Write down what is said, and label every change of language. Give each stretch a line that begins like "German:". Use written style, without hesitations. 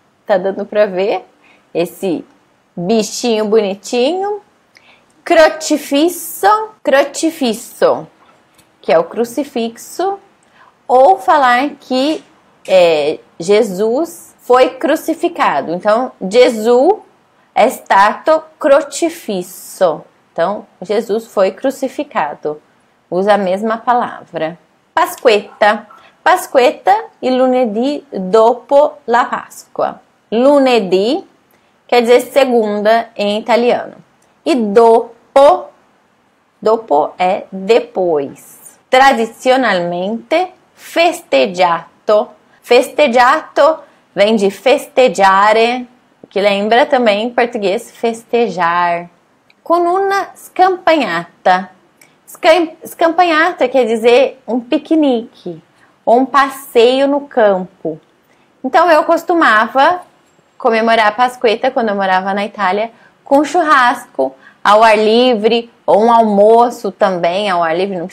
Portuguese: Tá dando para ver esse bichinho bonitinho. Crocifisso, crocifisso, que é o crucifixo. Ou falar que Jesus foi crucificado.
Italian: Então, Jesus è stato crocifisso.
Portuguese: Então, Jesus foi crucificado. Usa a mesma palavra. Pasquetta.
Italian: Pasquetta, il lunedì dopo la Pasqua.
Portuguese: Lunedì quer dizer segunda em italiano. E dopo, dopo é depois.
Italian: Tradicionalmente, festeggiato.
Portuguese: Festeggiato vem de festeggiare, que lembra também em português festejar.
Italian: Con una scampagnata.
Portuguese: Scampagnata quer dizer um piquenique. Ou um passeio no campo. Então eu costumava comemorar a Pasquetta quando eu morava na Itália com churrasco ao ar livre ou um almoço também ao ar livre.